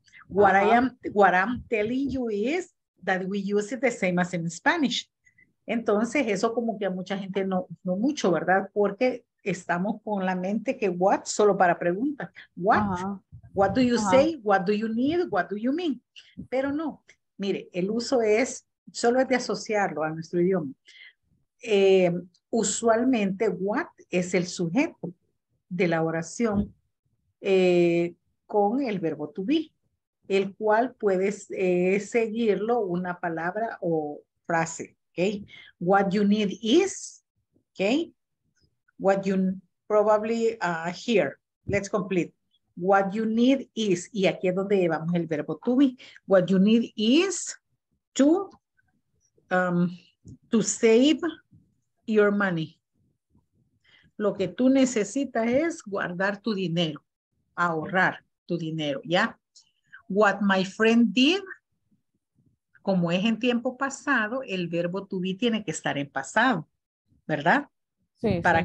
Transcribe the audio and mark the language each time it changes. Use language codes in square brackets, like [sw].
[en] What I'm telling you is that we use it the same as in Spanish. [es] Entonces eso como que a mucha gente no mucho, ¿verdad? Porque estamos con la mente que what solo para preguntas. [en] What? What do you say? What do you need? What do you mean? [es] Pero no, mire, el uso es solo es de asociarlo a nuestro idioma. Usualmente what es el sujeto de la oración con el verbo to be, el cual puedes seguirlo una palabra o frase, okay? [en] What you need is, okay? What you probably hear. Let's complete. What you need is, [es] y aquí es donde llevamos el verbo to be. [en] What you need is to save your money. [es] Lo que tú necesitas es guardar tu dinero, ahorrar tu dinero, ¿ya? [en] What my friend did, [es] como es en tiempo pasado, el verbo to be tiene que estar en pasado, ¿verdad? Sí. Para